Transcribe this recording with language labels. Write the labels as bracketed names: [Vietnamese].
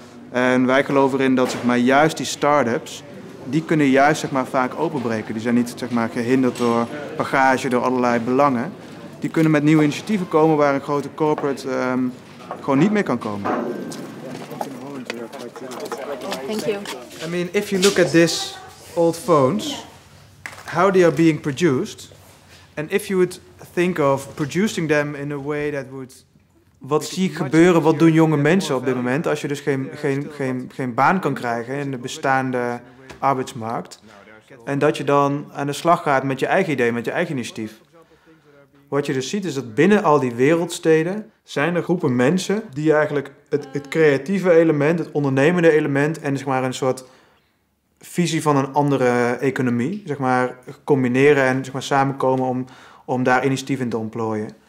[Dutch] En wij geloven erin dat zeg maar, juist die start-ups, die kunnen juist zeg maar, vaak openbreken. Die zijn niet zeg maar, gehinderd door bagage, door allerlei belangen. Die kunnen met nieuwe initiatieven komen waar een grote corporate gewoon niet mee kan komen. [English] Thank you. I mean, if you look at this old phones, how they are being produced, and if you would think of producing them in a way that would... [Dutch] Wat zie ik gebeuren, wat doen jonge mensen op dit moment, als je dus geen baan kan krijgen in de bestaande arbeidsmarkt, en dat je dan aan de slag gaat met je eigen idee, met je eigen initiatief. Wat je dus ziet is dat binnen al die wereldsteden zijn er groepen mensen die eigenlijk het creatieve element, het ondernemende element en zeg maar een soort visie van een andere economie zeg maar, combineren en zeg maar, samenkomen om daar initiatieven in te ontplooien.